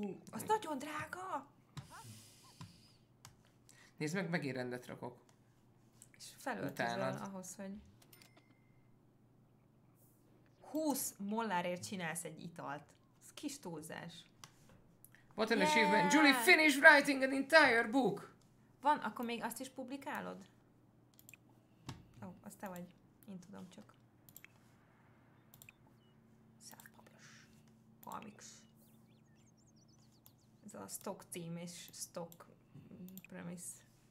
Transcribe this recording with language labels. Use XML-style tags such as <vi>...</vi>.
<hu>Az nagyon drága! Nézd meg, megint rendet rakok. És felöltözöl ahhoz, hogy... 20 mollárért csinálsz egy italt. Ez kis túlzás.</hu> <en>What an achievement! Julie finished writing an entire book!</en> <hu>Van, akkor még azt is publikálod? Ó, az te vagy. Én tudom csak.</hu> <en>Self-publish. Comics.</en> <hu>Ez a stock team és stock premise.</hu>